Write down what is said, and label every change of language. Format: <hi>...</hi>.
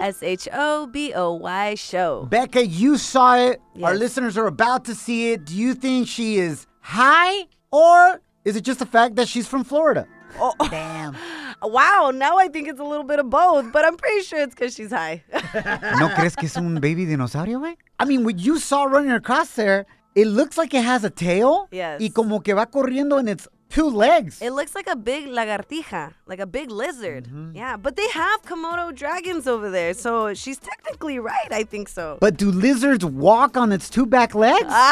<en>S-H-O-B-O-Y Show. Becca, you saw it. Yes. Our listeners are about to see it. Do you think she is high or is it just the fact that she's from Florida? Oh. Damn. Wow, now I think it's a little bit of both, but I'm pretty sure it's because she's high.</en> <es>¿No crees que es un baby dinosaurio, güey?</es> <en>I mean, what you saw running across there, it looks like it has a tail. Yes.</en> <es>Y como que va corriendo en</es> <en>its... two legs. It looks like a big lagartija, like a big lizard. Mm-hmm. Yeah, but they have Komodo dragons over there, so she's technically right, I think so. But do lizards walk on its two back legs?</en>